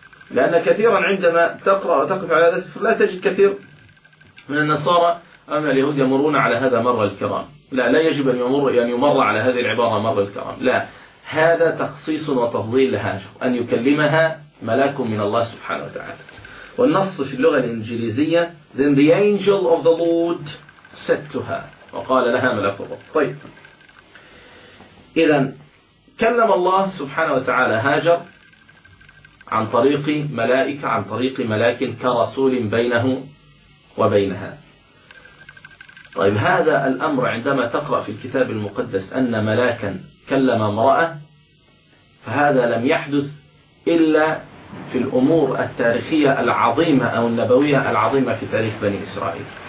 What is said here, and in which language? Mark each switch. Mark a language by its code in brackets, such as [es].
[ar] لأن كثيرا عندما تقرأ وتقف على هذا السفر لا تجد كثير من النصارى أو اليهود يمرون على هذا مر الكرام. لا يجب أن يمر، يعني يمر على هذه العبارة مر الكرام، لا، هذا تخصيص وتفضيل لهاجر أن يكلمها ملاك من الله سبحانه وتعالى. والنص في اللغة الإنجليزية [en] Then the angel of the Lord said to her، [ar] وقال لها ملاك الرب. طيب، إذن كلم الله سبحانه وتعالى هاجر عن طريق ملائكة، عن طريق ملاك كرسول بينه وبينها. طيب، هذا الأمر عندما تقرأ في الكتاب المقدس أن ملاكا كلم امرأة، فهذا لم يحدث إلا في الأمور التاريخية العظيمة أو النبوية العظيمة في تاريخ بني إسرائيل.